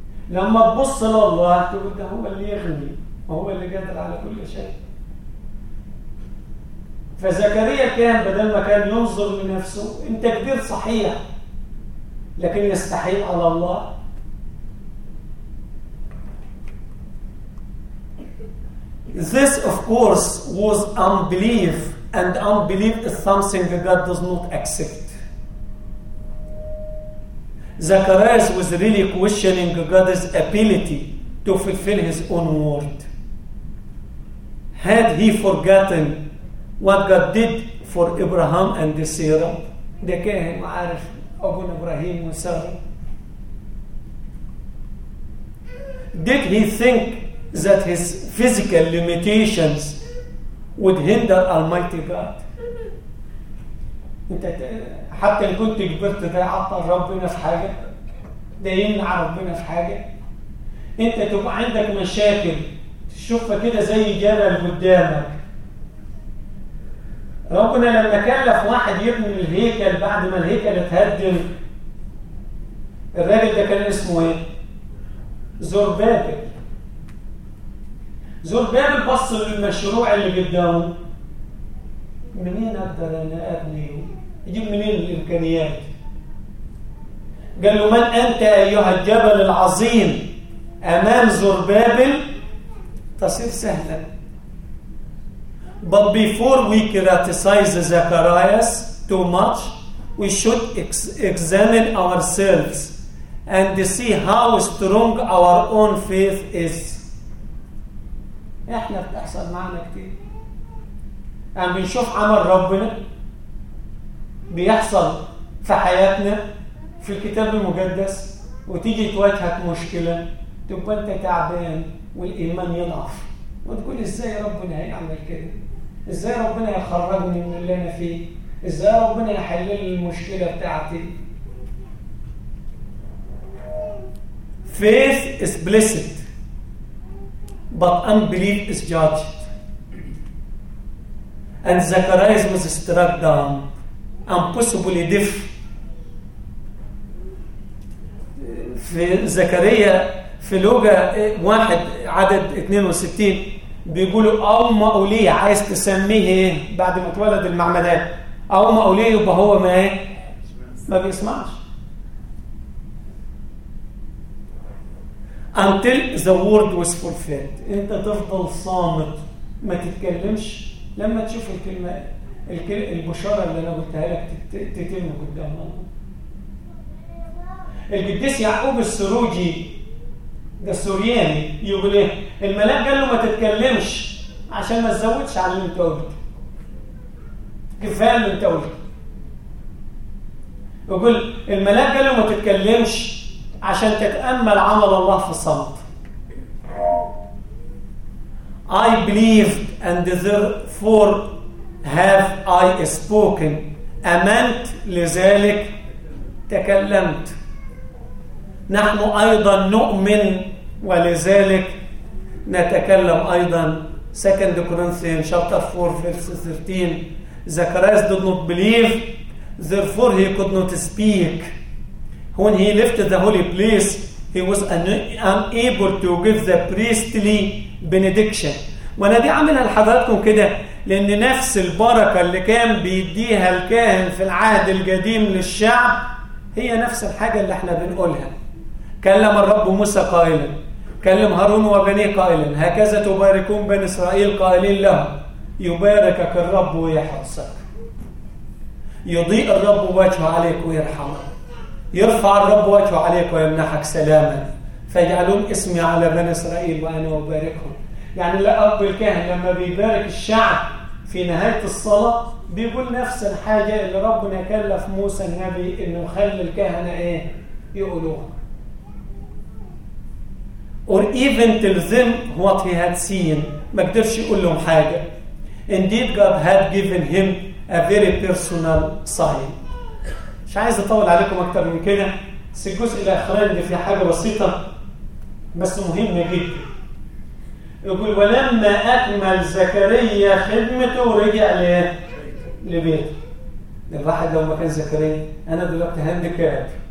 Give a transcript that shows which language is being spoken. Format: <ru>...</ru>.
<ar>لما تبص لله تقول ده هو اللي يغني وهو اللي قادر على كل شيء. فزكريا كان بدل ما كان ينظر لنفسه، انت كبير صحيح لكن يستحيل على الله.</ar> <en>This of course was unbelief. And unbelief is something that God does not accept. Zacharias was really questioning God's ability to fulfill his own word. Had he forgotten what God did for Abraham and the Sarah? They came and</en> <ar>عارف أبو إبراهيم وسارة.</ar> <en>Did he think that his physical limitations would hinder Almighty God?</en> <ar>انت حتى اللي كنت كبرت ده عطل ربنا في حاجة؟ ده يمنع ربنا في حاجة؟ انت تبقى عندك مشاكل تشوفها كده زي جبل قدامك. ربنا لما كلف واحد يبني الهيكل بعد ما الهيكل اتهدم، الراجل ده كان اسمه ايه؟ زربابل. زربابل بص للمشروع اللي قدامه منين اقدر انا ابني اجيب منين الامكانيات؟ قال له: من انت ايها الجبل العظيم امام زربابل؟ تصير سهلا.</ar> <en>But before we criticize Zacharias too much, we should examine ourselves and see how strong our own faith is.</en> <ar>احنا بتحصل معنا كتير. عم بنشوف عمل ربنا بيحصل في حياتنا في الكتاب المقدس وتيجي تواجهك مشكلة تبقى انت تعبان والإيمان يضعف وتقول: ازاي ربنا هيعمل كده؟ ازاي ربنا يخرجني من اللي انا فيه؟ ازاي ربنا يحل لي المشكله بتاعتي؟</ar> <en>Faith is blessed, but unbelief is judged. And Zacharias was struck down and possibly deaf.</en> <ar>في زكريا في لوقا 1:62 بيقولوا: او مقوليه، عايز تسميه ايه بعد ما اتولد المعمدان؟ او مقوليه، يبقى هو ما بيسمعش.</ar> <en>Until the word was fulfilled.</en> <ar>انت تفضل صامت ما تتكلمش لما تشوف الكلمه البشاره اللي انا قلتها لك تتم قدام الله. القديس يعقوب السروجي ده سورياني يقول ايه؟ الملاك قال له: ما تتكلمش عشان ما تزودش على اللي انت قلته، كفايه اللي انت قلته. يقول الملاك قال له: ما تتكلمش عشان تتامل عمل الله في الصمت.</ar> <en>I believed and therefore have I spoken.</en> <ar>امنت لذلك تكلمت. نحن ايضا نؤمن ولذلك نتكلم ايضا.</ar> <en>2 Corinthians chapter 4 verse 13. Zacharias did not believe, therefore he could not speak. When he left the holy place, he was unable to give the priestly benediction.</en> <ar>وانا دي عاملها لحضراتكم كده لان نفس البركه اللي كان بيديها الكاهن في العهد القديم للشعب هي نفس الحاجه اللي احنا بنقولها. كلم الرب موسى قائلا: كلم هارون وبنيه قائلا: هكذا تباركون بني اسرائيل قائلين له: يباركك الرب ويحرسك، يضيء الرب وجهه عليك ويرحمك، يرفع الرب وجهه عليك ويمنحك سلاما، فيجعلون اسمي على بني اسرائيل وانا اباركهم. يعني الاب الكاهن لما بيبارك الشعب في نهايه الصلاه بيقول نفس الحاجه اللي ربنا كلف موسى النبي انه يخلي الكهنه ايه يقولوها.</ar> <en>Or even tell them what he had seen.</en> <ar>ما قدرش يقول لهم حاجة.</ar> <en>Indeed God had given him a very personal sign.</en> <ar>مش عايز أطول عليكم أكتر من كده. بس الجزء الأخراني في حاجة بسيطة بس مهمة جدا. يقول: ولما أكمل زكريا خدمته ورجع لبيته. الواحد لو ما كان زكريا أنا دلوقتي هانديكاب.</ar>